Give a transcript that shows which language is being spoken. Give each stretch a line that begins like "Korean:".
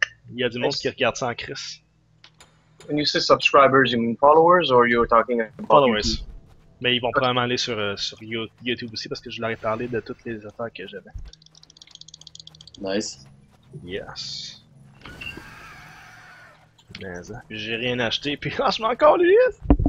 French: Il y a du monde qui regarde ça en crisse.
English: When you say subscribers, you mean followers, or you're talking about followers? YouTube?
French: Mais ils vont probablement aller sur YouTube aussi parce que je leur ai parlé de toutes les affaires que j'avais.
English: Nice. Yes.
French: Mais j'ai rien acheté, puis là je m'en calisse.